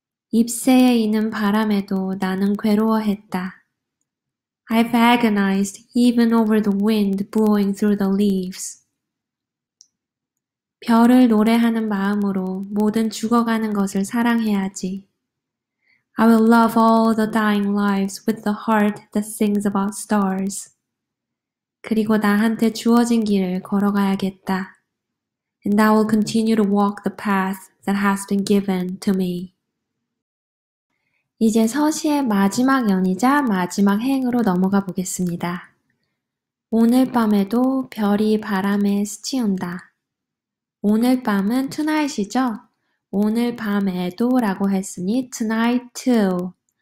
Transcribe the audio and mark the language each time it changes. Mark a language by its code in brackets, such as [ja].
[ko] 잎새에 이는 바람에도 나는 괴로워했다. [en] I've agonized even over the wind blowing through the leaves. [ko] 별을 노래하는 마음으로 모든 죽어가는 것을 사랑해야지. [en] I will love all the dying lives with the heart that sings about stars. [ko] 그리고 나한테 주어진 길을 걸어가야겠다. [en] And I will continue to walk the path that has been given to me. [ko] 이제 서시의 마지막 연이자 마지막 행으로 넘어가 보겠습니다. 오늘 밤에도 별이 바람에 스치운다. 오늘 밤은 tonight이죠? 오늘 밤에도 라고 했으니 [en] tonight too.